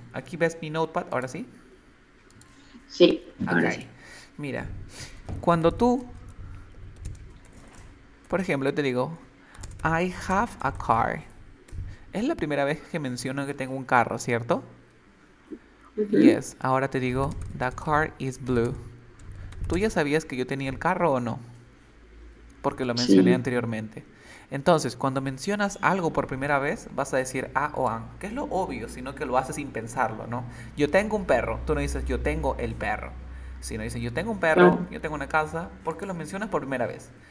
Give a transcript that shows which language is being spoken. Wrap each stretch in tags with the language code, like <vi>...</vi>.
<es>¿Aquí ves mi notepad? ¿Ahora sí? Sí, ahora sí. Mira, cuando tú... Por ejemplo, te digo,</es> <en>I have a car.</en> <es>Es la primera vez que menciono que tengo un carro, ¿cierto? Uh-huh. Yes, ahora te digo,</es> <en>the car is blue.</en> <es>¿Tú ya sabías que yo tenía el carro o no? Porque lo mencioné anteriormente. Entonces, cuando mencionas algo por primera vez, vas a decir a o an, que es lo obvio, sino que lo haces sin pensarlo, ¿no? Yo tengo un perro. Tú no dices, yo tengo el perro. Sino dices, yo tengo un perro, yo tengo una casa, porque lo mencionas por primera vez.</es>